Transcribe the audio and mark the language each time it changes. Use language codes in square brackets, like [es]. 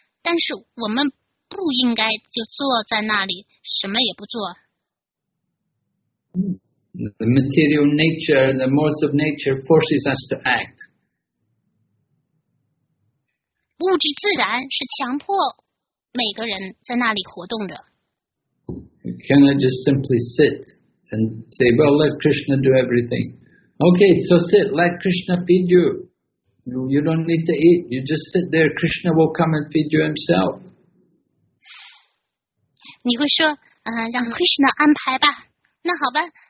[zh] 但是我们不应该就坐在那里什么也不做。 [en] The material nature, the modes of nature forces us to act. [zh] 物质自然是强迫每个人在那里活动着。 [en] You cannot just simply sit and say, well, let Krishna do everything. Okay, so sit, let Krishna feed you. You don't need to eat, you just sit there, Krishna will come and feed you himself. [zh] 你会说，让 Krishna 安排吧，那好吧。